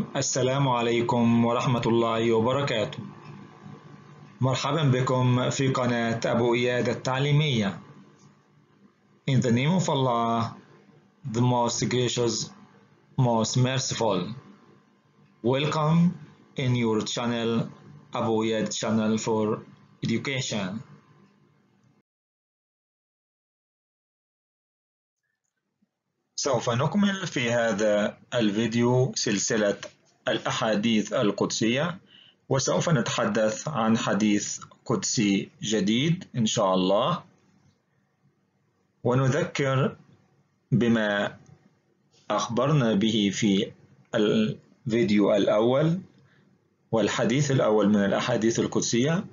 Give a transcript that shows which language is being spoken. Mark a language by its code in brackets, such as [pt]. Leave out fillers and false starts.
[ar] السلام عليكم ورحمة الله وبركاته. مرحبا بكم في قناة أبو إياد التعليمية. [en] In the name of Allah, the most gracious, most merciful. Welcome in your channel, Abu Iyad channel for education. [ar] سوف نكمل في هذا الفيديو سلسلة الأحاديث القدسية، وسوف نتحدث عن حديث قدسي جديد إن شاء الله، ونذكر بما أخبرنا به في الفيديو الأول والحديث الأول من الأحاديث القدسية.